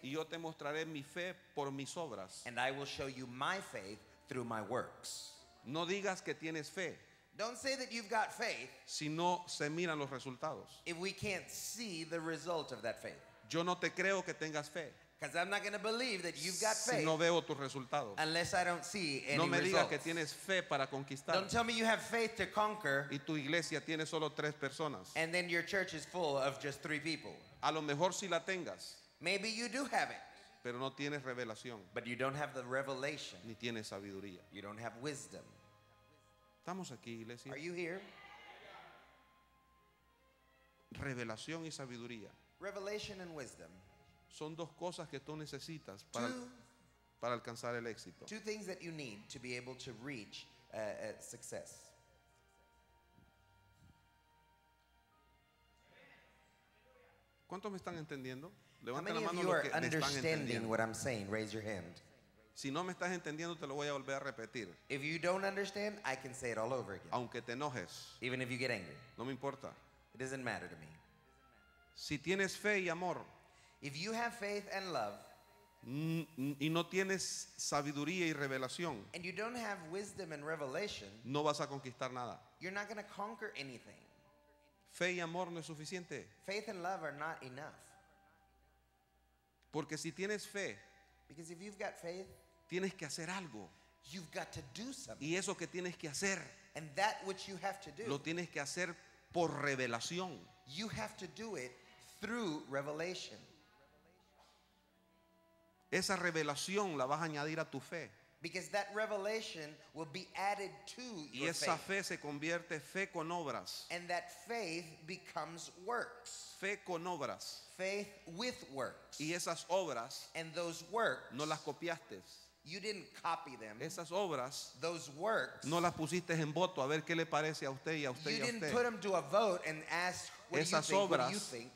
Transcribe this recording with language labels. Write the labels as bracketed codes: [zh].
[es] Y yo te mostraré mi fe por mis obras. [en] And I will show you my faith through my works. [es] No digas que tienes fe. [en] Don't say that you've got faith. [es] Si no se miran los resultados. [en] If we can't see the result of that faith. [es] Yo no te creo que tengas fe. [en] Because I'm not going to believe that you've got faith. [es] Si no veo tus resultados. [en] Unless I don't see any results. [es] No me digas que tienes fe para conquistar. [en] Don't tell me you have faith to conquer. [es] Y tu iglesia tiene solo tres personas. [en] And then your church is full of just three people. [es] A lo mejor si la tengas. [en] Maybe you do have it. [es] Pero no tienes revelación. [en] But you don't have the revelation. [es] Ni tienes sabiduría. [en] You don't have wisdom. [es] Estamos aquí, iglesia. [en] Are you here? [es] Revelación y sabiduría. [en] Revelation and wisdom. [es] Son dos cosas que tú necesitas para alcanzar el éxito. [en] Two things that you need to be able to reach success. [es] ¿Cuántos me están entendiendo? Levanta la mano los que me están entendiendo. [en] What I'm saying, raise your hand. [es] Si no me estás entendiendo, te lo voy a volver a repetir. [en] If you don't understand, I can say it all over again. [es] Aunque te enojes. [en] Even if you get angry. [es] No me importa. [en] It doesn't matter to me. [es] Si tienes fe y amor. [en] If you have faith and love, [es] y no tienes sabiduría y revelación, [en] and you don't have wisdom and revelation, [es] no vas a conquistar nada. [en] You're not going to conquer anything. [es] Fe y amor no es suficiente. [en] Faith and love are not enough. [es] Porque si tienes fe, [en] because if you've got faith, [es] tienes que hacer algo. [en] You've got to do something. [es] Y eso que tienes que hacer, [en] and that which you have to do, [es] lo tienes que hacer por revelación. [en] You have to do it through revelation. [es] Esa revelación la vas a añadir a tu fe. [en] Because that revelation will be added to your faith. [es] Y esa fe se convierte fe con obras. [en] And that faith becomes works. [es] Fe con obras. [en] Faith with works. [es] Y esas obras. [en] And those works. [es] No las copiaste. [en] You didn't copy them. [es] Esas obras. [en] Those works. [es] No las pusiste en voto a ver qué le parece a usted y a usted y a usted. [en] You didn't put them to a vote and ask what you think.